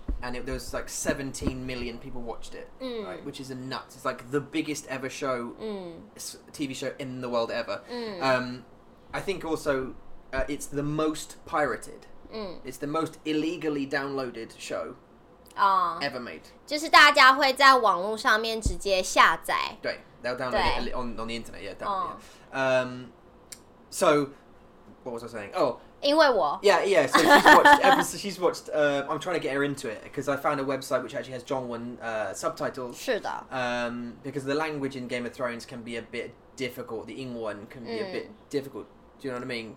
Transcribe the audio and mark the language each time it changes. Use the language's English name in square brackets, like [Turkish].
[English] And there was like 17 million people watched it, right? Which is a nuts. It's like the biggest ever show, TV show in the world ever. I think also it's the most pirated. It's the most illegally downloaded show ever made. [Chinese] 就是大家会在网络上面直接下载。 [English] 对, they'll download it on the internet, yeah, so, what was I saying? Oh, [Chinese] 因为我? [English] Yeah, so she's watched, I'm trying to get her into it, because I found a website which actually has Zhongwen subtitles. [Chinese] 是的。 [English] Because the language in Game of Thrones can be a bit difficult, the 英文 can be a bit difficult. Do you know what I mean?